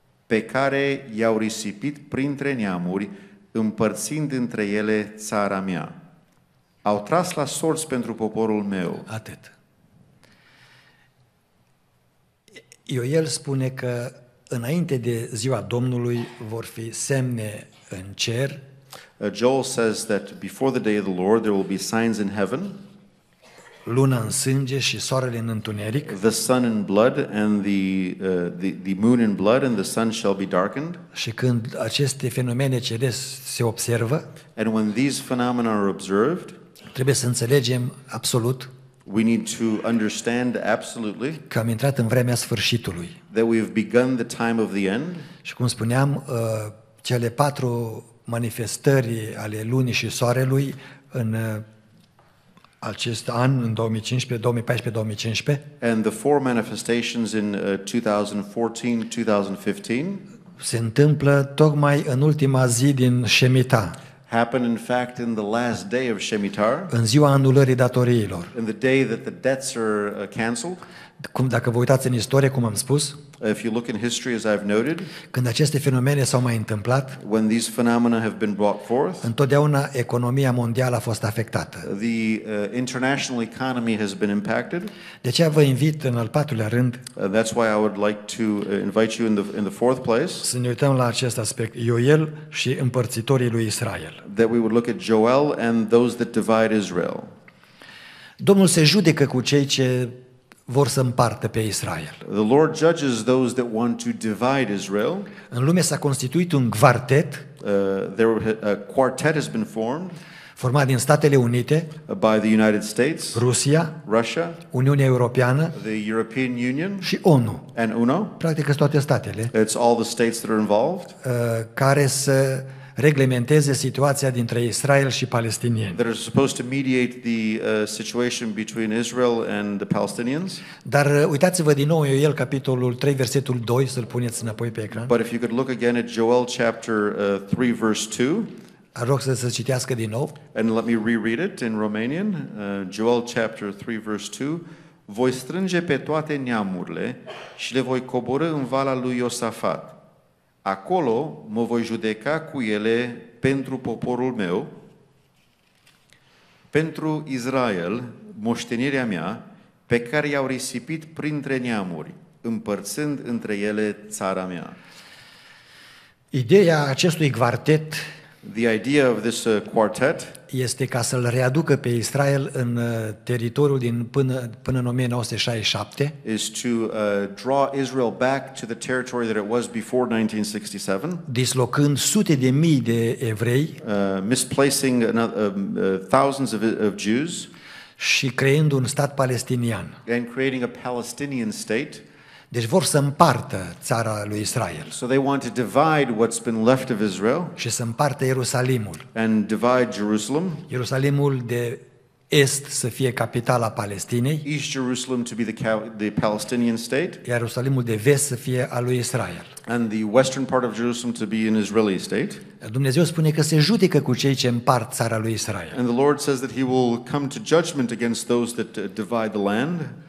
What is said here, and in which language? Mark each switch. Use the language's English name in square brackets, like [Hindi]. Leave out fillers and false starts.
[Romanian] pe care i-au risipit printre neamuri, împărțind între ele țara mea. Au tras la sorți pentru poporul meu. Atât. Ioel spune că înainte de ziua Domnului vor fi semne în cer. [English] Joel says that before the day of the Lord there will be signs in heaven. [Romanian] Luna în sânge și soarele în întuneric. [English] The sun in blood and the moon in blood and the sun shall be darkened. [Romanian] Și când aceste fenomene celeste se observă, [English] and when these phenomena are observed, [Romanian] trebuie să înțelegem absolut, [English] we need to understand absolutely, [Romanian] că am intrat în vremea sfârșitului. [English] That we have begun the time of the end. [Romanian] Și cum spuneam, cele patru manifestări ale lunii și soarelui în acest an, în 2014-2015, [English] and the four manifestations in 2014-2015 [Romanian] se întâmplă tocmai în ultima zi din Shemitah. [English] Happen in fact in the last day of Shemitah. [Romanian] În ziua anulării datoriilor. [English] In the day that the debts are canceled. [Romanian] Cum dacă vă uitați în istorie, cum am spus, [English] if you look in history, as I've noted, [Romanian] când aceste fenomene s-au mai întâmplat, [English] when these phenomena have been brought forth, [Romanian] întotdeauna economia mondială a fost afectată. [English] The international economy has been impacted. [Romanian] De aceea vă invit în al patrulea rând. [English] That's why I would like to invite you in the fourth place. [Romanian] Să ne uităm la acest aspect, Ioel și împărțitorii lui Israel. [English] That we would look at Joel and those that divide Israel. [Romanian] Domnul se judecă cu cei ce vor să împartă pe Israel. [English] The Lord judges those that want to divide Israel. [Romanian] În lume s-a constituit un quartet. [English] A quartet has been formed. [Romanian] Format din Statele Unite, [English] by the United States, [Romanian] Rusia, [English] Russia, [Romanian] Uniunea Europeană, [English] the European Union, [Romanian] și ONU. [English] And UNO. [Romanian] Practic toate statele. [English] It's all the states that are involved. [Romanian] Care să reglementeze situația dintre Israel și palestinieni. [English] That are supposed to mediate the situation between Israel and the Palestinians. [Romanian] Dar uitați-vă din nou Ioel capitolul 3 versetul 2, să-l puneți înapoi pe ecran. [English] But if you could look again at Joel chapter 3 verse 2. [Romanian] Rog să se citească din nou. [English] And let me reread it in Romanian. Joel chapter 3 verse 2. [Romanian] Voi strânge pe toate neamurile și le voi coborâ în vala lui Iosafat. Acolo mă voi judeca cu ele pentru poporul meu, pentru Israel, moștenirea mea, pe care i-au risipit printre neamuri, împărțând între ele țara mea. Ideea acestui quartet, [English] the idea of this quartet, [Romanian] este ca să-l readucă pe Israel în teritoriul din până în 1967. [English] Is to draw Israel back to the territory that it was before 1967. [Romanian] Dislocând sute de mii de evrei, [English] misplacing thousands of Jews, [Romanian] și creând un stat palestinian. [English] And creating a Palestinian state. [Romanian] Deci vor să împartă țara lui Israel. [English] So they want to divide what's been left of Israel. [Romanian] Și să împartă Ierusalimul. [English] And divide Jerusalem. [Romanian] Ierusalimul de est să fie capitala Palestinei. [English] East Jerusalem to be the Palestinian state. [Romanian] Ierusalimul de vest să fie al lui Israel. [English] And the western part of Jerusalem to be an Israeli state. [Romanian] Dumnezeu spune că se judecă cu cei ce împart țara lui Israel. [English] And the Lord says that he will come to judgment against those that divide the land.